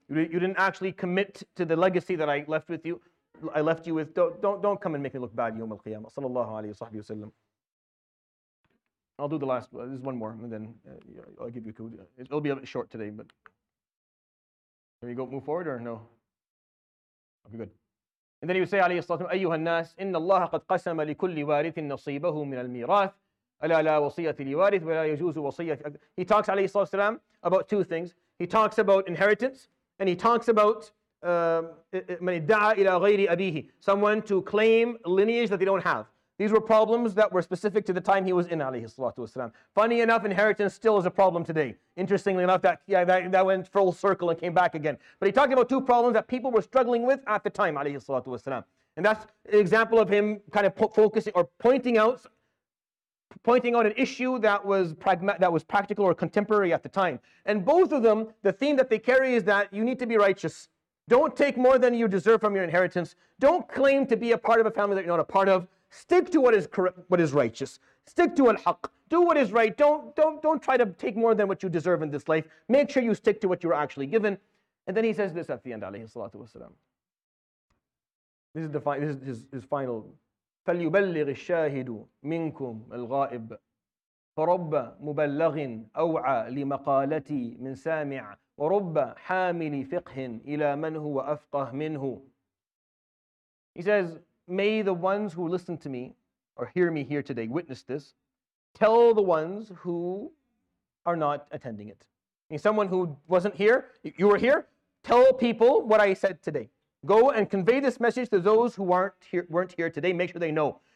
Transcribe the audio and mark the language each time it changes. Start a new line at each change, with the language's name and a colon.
English: You didn't actually commit to the legacy that I left you with. Don't come and make me look bad, Yawm al-Qiyamah. Sallallahu alayhi wa sallam. I'll do the last, this is one more, and then I'll give you a code. It'll be a bit short today, but can we go move forward or no? Okay, good. And then you say,
Arabic: alayhi sallam, أيها الناس, إن الله قد قسم لكل وارث نصيبه من الميراث. ألا لا وصية لوارث ولا يجوز وصية.
English: He talks, alayhi sallam, about two things. He talks about inheritance, and he talks about
Arabic: من ادعى إلى غير أبيه,
English: someone to claim lineage that they don't have. These were problems that were specific to the time he was in, alayhi salatu wasalam. Funny enough, inheritance still is a problem today. Interestingly enough, that went full circle and came back again. But he talked about two problems that people were struggling with at the time, alayhi salatu wasalam. And that's an example of him kind of pointing out an issue that was practical or contemporary at the time. And both of them, the theme that they carry is that you need to be righteous. Don't take more than you deserve from your inheritance. Don't claim to be a part of a family that you're not a part of. Stick to what is correct, what is righteous. Stick to al-haq. Do what is right. Don't try to take more than what you deserve in this life. Make sure you stick to what you're actually given. And then he says this at the end, alayhi salatu wasalam. This is his final.
Arabic: فليبلغ الشاهد منكم الغائب فرب مبلغ أوعى لمقالتي من سامع ورب حامل فقه إلى من هو أفقه منه.
English: He says, may the ones who listen to me or hear me here today witness this, tell the ones who are not attending it. And someone who wasn't here, you were here, tell people what I said today. Go and convey this message to those who weren't here today. Make sure they know.